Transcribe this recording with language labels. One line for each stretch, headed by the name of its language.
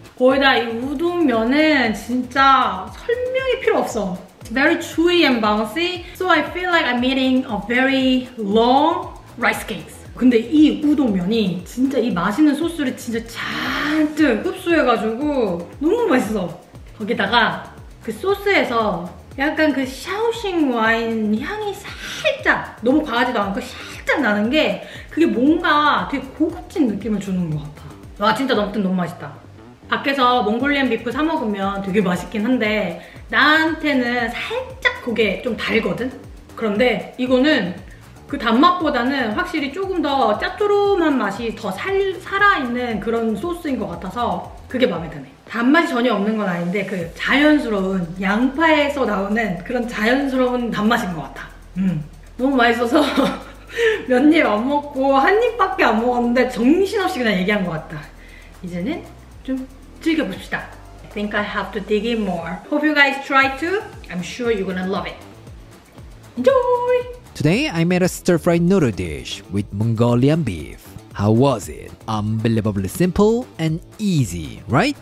Korean: 거의 다 이 우동 면은 진짜 설명이 필요 없어.
English: It's very chewy and bouncy, so I feel like I'm eating a very long rice cake.
Korean: 근데 이 우동면이 진짜 이 맛있는 소스를 진짜 잔뜩 흡수해가지고 너무 맛있어. 거기다가 그 소스에서 약간 그 샤오싱 와인 향이 살짝 너무 과하지도 않고 살짝 나는 게 그게 뭔가 되게 고급진 느낌을 주는 것 같아. 와 진짜 아무튼 너무 맛있다. 밖에서 몽골리안 비프 사 먹으면 되게 맛있긴 한데 나한테는 살짝 그게 좀 달거든? 그런데 이거는 그 단맛보다는 확실히 조금 더 짭조름한 맛이 더 살아있는 그런 소스인 것 같아서 그게 마음에 드네. 단맛이 전혀 없는 건 아닌데 그 자연스러운 양파에서 나오는 그런 자연스러운 단맛인 것 같아. 너무 맛있어서 몇 입 안 먹고 한 입밖에 안 먹었는데 정신없이 그냥 얘기한 것 같다. 이제는 좀 즐겨봅시다.
English: I think I have to dig in more. Hope you guys try too. I'm sure you're gonna love it. Enjoy! Today, I made a stir-fried noodle dish with Mongolian beef. How was it? Unbelievably simple and easy, right?